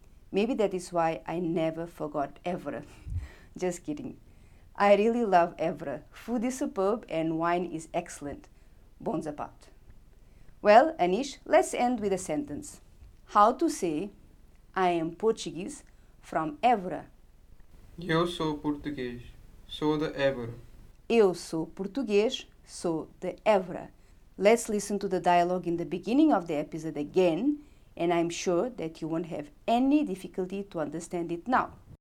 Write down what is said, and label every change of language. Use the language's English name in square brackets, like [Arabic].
[English] Maybe that is why I never forgot Evora. Just kidding. I really love Evora. Food is superb and wine is excellent. Bones apart. Well, Anish, let's end with a sentence. How to say, "I am Portuguese from Évora"? [Portuguese] Eu sou português, sou de Évora. Eu sou português, sou de Évora. [English] Let's listen to the dialogue in the beginning of the episode again, and I'm sure that you won't have any difficulty to understand it now.